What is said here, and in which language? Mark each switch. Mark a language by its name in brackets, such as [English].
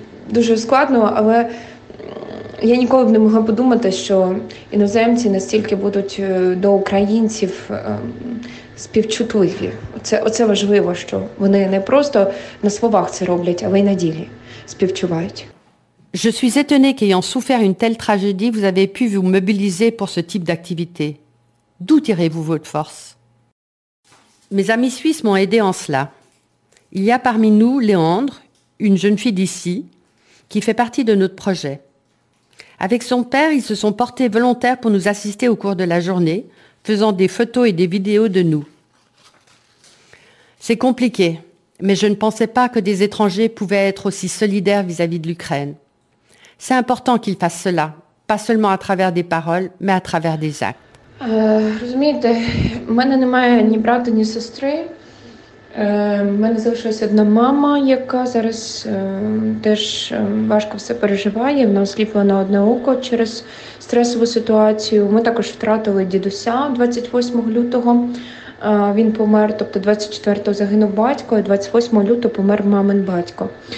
[Ukrainian] Дуже складно, але я ніколи б не могла подумати, що іноземці настільки будуть до українців співчутливі. Оце важливо, що вони не просто на словах це роблять, але й на ділі співчувають. [French] Je suis étonnée qu'ayant souffert une telle tragédie, vous avez pu vous mobiliser pour ce type d'activité. D'où tirez-vous votre force? Mes amis suisses m'ont aidée en cela. Il y a parmi nous Léandre, une jeune fille d'ici, qui fait partie de notre projet. Avec son père, ils se sont portés volontaires pour nous assister au cours de la journée, faisant des photos et des vidéos de nous. C'est compliqué, mais je ne pensais pas que des étrangers pouvaient être aussi solidaires vis-à-vis de l'Ukraine. C'est important qu'ils fassent cela, pas seulement à travers des paroles, mais à travers des actes. [Ukrainian] Розумієте, у мене немає ні брата, ні сестри. У мене залишилася одна мама, яка зараз теж важко все переживає. Вона осліплена одне око через стресову ситуацію. Ми також втратили дідуся 28 лютого. Він помер, тобто 24-го загинув батько, а 28 лютого помер мамин батько.